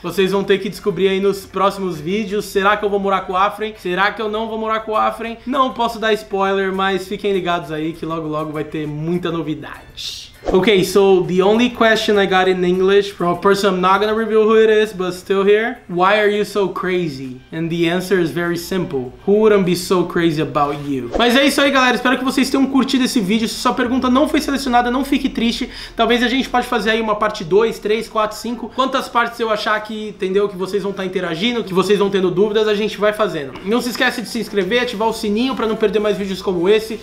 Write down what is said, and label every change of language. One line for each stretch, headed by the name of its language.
Portuguese: Vocês vão ter que descobrir aí nos próximos vídeos. Será que eu vou morar com o Afren? Será que eu não vou morar com o Afren? Não posso dar spoiler, mas fiquem ligados aí que logo logo vai ter muita novidade.
English: Ok, so the only question I got in English from a person, I'm not gonna reveal who it is, but still here. Why are you so crazy? And the answer is very simple. Who wouldn't be so crazy about you?
Portuguese: Mas é isso aí, galera. Espero que vocês tenham curtido esse vídeo. Se sua pergunta não foi selecionada, não fique triste. Talvez a gente pode fazer aí uma parte 2, 3, 4, 5. Quantas partes eu achar que, entendeu, que vocês vão estar interagindo, que vocês vão tendo dúvidas, a gente vai fazendo. Não se esquece de se inscrever, ativar o sininho pra não perder mais vídeos como esse.